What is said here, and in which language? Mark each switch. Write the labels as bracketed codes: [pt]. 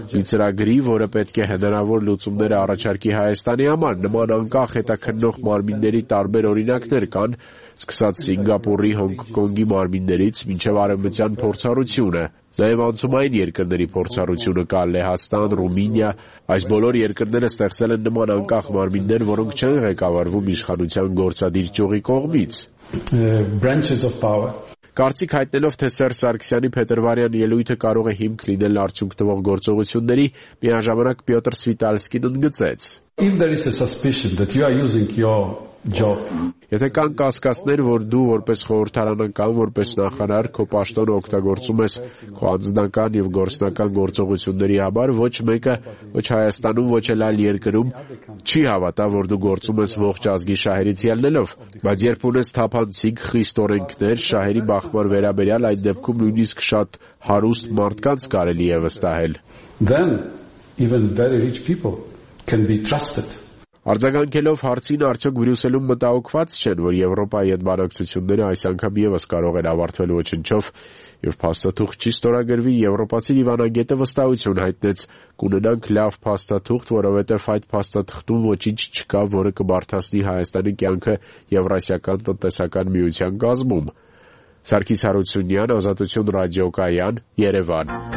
[hy] ծրագրի, որը պետք է հնարավոր լուծումներ առաջարկի Հայաստանի համար, նման անկախ հետաքննող մարմինների տարբեր օրինակներ կան, սկսած Սինգապուրի, Հոնկոնգի մարմիններից, մինչև արևմտյան փորձառությունը։ Նաև անցումային երկրների փորձառությունը կա, Լեհաստան, Ռումինիա, այս բոլոր երկրները ստեղծել են նման անկախ մարմիններ, որոնք չեն ղեկավարվում իշխանության գործադիր ճյուղի կողմից։ [en] Branches of power. [hy] Կարծիք հայտնելով, թե Սերժ Սարգսյանի Փետրվարյան ելույթը կարող է հիմք լինել արդյունք տվող գործողությունների, միաժամանակ Պյոտր Սվիտալսկին ընդգծեց. [en] If there is a suspicion that you are using your job. [hy] Եթե կան կասկածներ, որ դու որպես խորհրդարանական կամ որպես նախարար քո պաշտոնը օգտագործում ես քո անձնական և գործնական գործողությունների համար, ոչ մեկը, ոչ Հայաստանում, ոչ էլ այլ երկրում չի հավատա, որ դու գործում ես ողջ ազգի շահերից ելնելով, բայց երբ ունես թափանցիկ խիստ օրենքներ շահերի բախման վերաբերյալ, այդ դեպքում նույնիսկ շատ հարուստ մարդկանց կարելի է վստահել։ [en] Then even very rich people can be trusted. [hy] Արձագանքելով հարցին, արդյոք Բրյուսելում մտահոգված չեն, որ Եվրոպայի հետ բանակցությունները այս անգամ ևս կարող են ավարտվել ոչնչով, և փաստաթուղթ չի ստորագրվի, եվրոպացի դիվանագետը վստահություն հայտնեց, կունենանք լավ փաստաթուղթ, որովհետև այդ փաստաթղթում ոչինչ չկա, որը կբարդացնի Հայաստանի կյանքը Եվրասիական տնտեսական միության կազմում։ Սարգիս Հարությունյան, Ազատություն ռադիոկայան, Երևան։